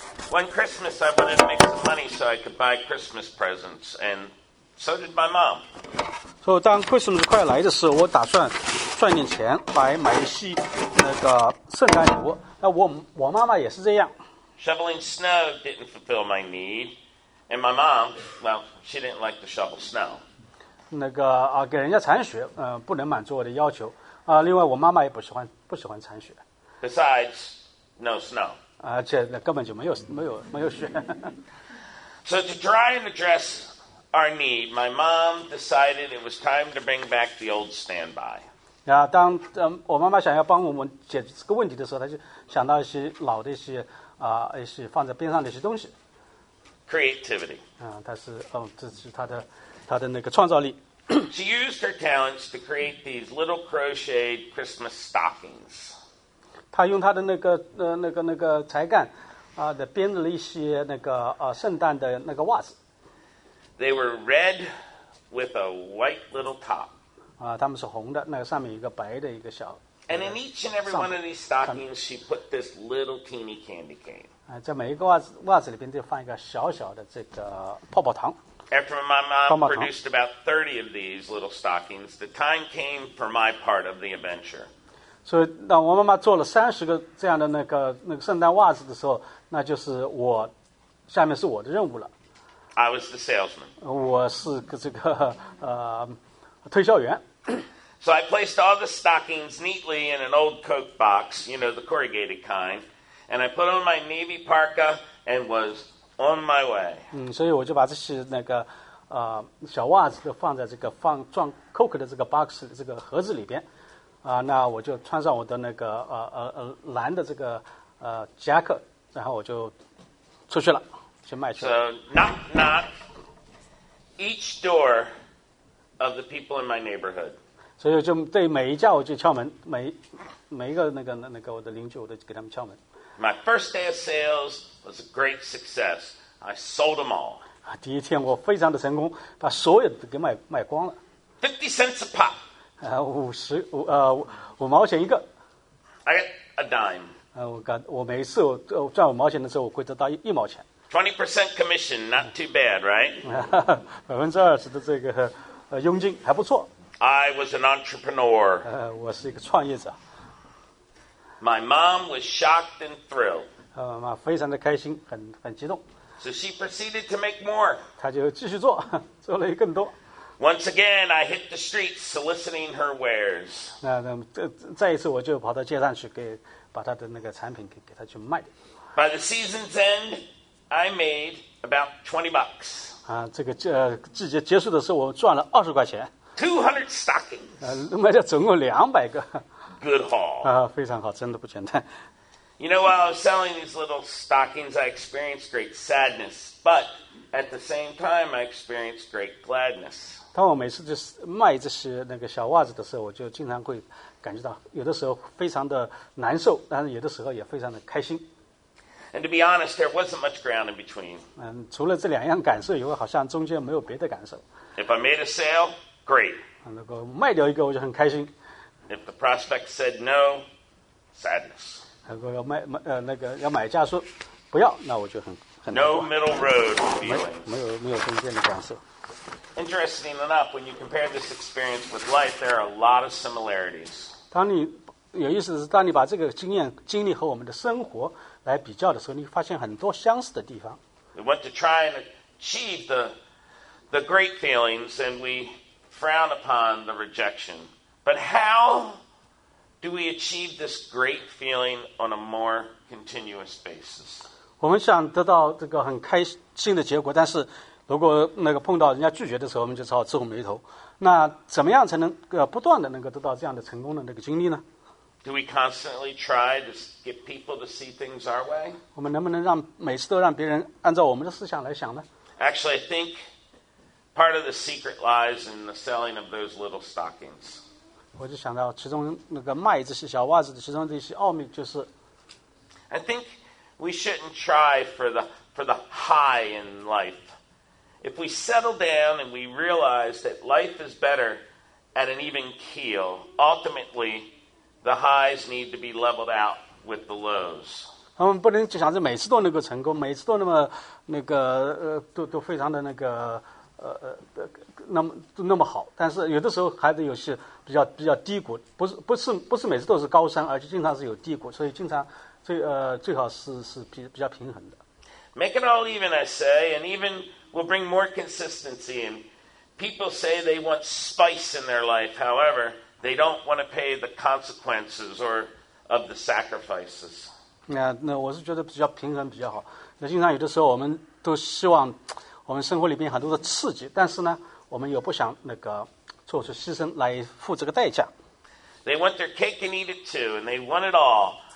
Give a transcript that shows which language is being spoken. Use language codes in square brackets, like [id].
[en] One Christmas, I wanted to make some money so I could buy Christmas presents, and so did my mom. [zh] 所以当 Christmas 快来的时候，我打算。赚点钱来买一些那个圣诞礼物。那我妈妈也是这样。 [en] Shoveling snow didn't fulfill my need, and my mom, well, she didn't like to shovel snow. [zh] 那个啊，给人家铲雪，不能满足我的要求啊。另外，我妈妈也不喜欢铲雪。 [en] Besides, no snow. [zh] 而且那根本就没有雪。 [en] So to try and address our need, my mom decided it was time to bring back the old standby. [zh] 然后当我妈妈想要帮我们解决这个问题的时候，她就想到一些老的一些放在边上的一些东西。 [en] Creativity. [zh] 这是她的那个创造力。 [en] She used her talents to create these little crocheted Christmas stockings. [zh] 她用她的那个才干编织了一些那个圣诞的那个袜子。 [en] They were red with a white little top. [zh] 他们是红的，那个上面一个白的一个小。 [en] And in each and every one of these stockings, she put this little teeny candy cane. [zh] 在每一个袜子里边就放一个小小的这个泡泡糖。 [en] After my mom produced about 30 of these little stockings, the time came for my part of the adventure. [zh] 所以，当我妈妈做了30个这样的那个圣诞袜子的时候，那就是我下面是我的任务了。 [en] I was the salesman. [zh] 我是个这个推销员。 [en] So I placed all the stockings neatly in an old Coke box, you know, the corrugated kind, and I put on my navy parka and was on my way. [zh] 所以我就把这些那个小袜子都放在这个放装 Coke 的这个 box 这个盒子里边，那我就穿上我的那个蓝的这个夹克，然后我就出去了，去卖去了。 [en] So knock knock, each door of the people in my neighborhood. [zh] 所以就对每一家我就敲门，每一个那个我的邻居我都给他们敲门。 [en] My first day of sales was a great success. I sold them all. [zh] 第一天我非常的成功，把所有的给卖光了。 [en] 50 cents a pop. [zh] 五毛钱一个。 [en] I got a dime. [zh] 我每一次我赚五毛钱的时候，我会得到一毛钱。 [en] 20% commission, not too bad, right? [zh] 20%的这个佣金还不错。 [en] I was an entrepreneur. [zh] 我是一个创业者。 [en] My mom was shocked and thrilled. [zh] 妈非常的开心，很激动。 [en] So she proceeded to make more. [zh] 她就继续做，做了更多。 [en] Once again, I hit the streets soliciting her wares. [zh] 再一次我就跑到街上去给把她的那个产品给她去卖。 [en] By the season's end, I made about 20 bucks. [zh] 这个季节结束的时候，我赚了20块钱。 [en] 200 stockings. [zh] 卖掉总共200个。 [en] Good haul. [zh] 非常好，真的不简单。 [en] You know, while I was selling these little stockings, I experienced great sadness, but at the same time, I experienced great gladness. [zh] 当我每次就是卖这些那个小袜子的时候，我就经常会感觉到，有的时候非常的难受，但是有的时候也非常的开心。 [en] And to be honest, there wasn't much ground in between. [zh] 除了这两样感受以外，好像中间没有别的感受。 [en] If I made a sale. Great. [zh] 如果卖掉一个，我就很开心。 [en] If the prospect said no, sadness. [zh] 如果要买家说不要，那我就很 [en] No middle road feelings. [zh] 没有中间的感受。 [en] Interesting enough, when you compare this experience with life, there are a lot of similarities. [zh] 当你有意思的是，当你把这个经历和我们的生活来比较的时候，你发现很多相似的地方。 [en] We want to try and achieve the great feelings, and we frown upon the rejection. But how do we achieve this great feeling on a more continuous basis? [zh] 我们想得到这个很开心的结果，但是如果那个碰到人家拒绝的时候，我们就只好皱眉头。那怎么样才能不断的能够得到这样的成功的那个经历呢？ [en] Do we constantly try to get people to see things our way? [zh] 我们能不能让每次都让别人按照我们的思想来想呢？ [en] Actually, I think. Part of the secret lies in the selling of those little stockings. [zh] 我就想到其中那个卖这些小袜子的其中的一些奥秘就是 [en] I think we shouldn't try for the high in life. If we settle down and we realize that life is better at an even keel, ultimately the highs need to be leveled out with the lows. [zh] 他们不能就想着每次都能够成功，每次都那么那个都非常的那个。那么好，但是有的时候还得有些比较低谷，不是每次都是高山，而且经常是有低谷，所以经常最好是比较平衡的。 [en] Make it all even, I say, and even will bring more consistency. And people say they want spice in their life, however, they don't want to pay the consequences or of the sacrifices. [zh] 那我是觉得比较平衡比较好。那经常有的时候我们都希望。我们生活里面很多的刺激，但是呢，我们又不想那个做出牺牲来付这个代价。 [en] They want their cake and eat it too, and they want it all.